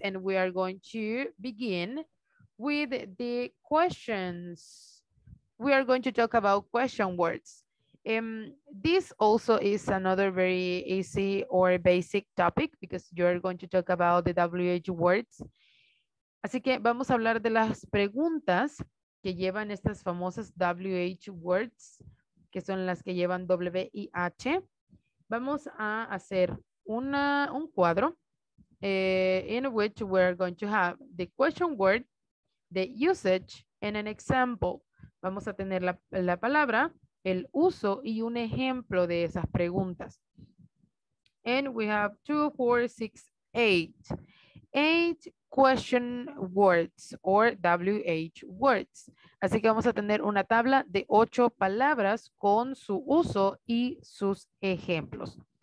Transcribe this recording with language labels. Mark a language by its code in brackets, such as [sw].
[en] And we are going to begin with the questions. We are going to talk about question words. This also is another very easy or basic topic because you're going to talk about the WH words. [es] Así que vamos a hablar de las preguntas que llevan estas famosas WH words, que son las que llevan W y H. Vamos a hacer un cuadro [en] in which we're going to have the question word, the usage, and an example. [es] Vamos a tener la palabra, el uso y un ejemplo de esas preguntas. [en] And we have 2, 4, 6, 8 question words or WH words. [es] Así que vamos a tener una tabla de 8 palabras con su uso y sus ejemplos.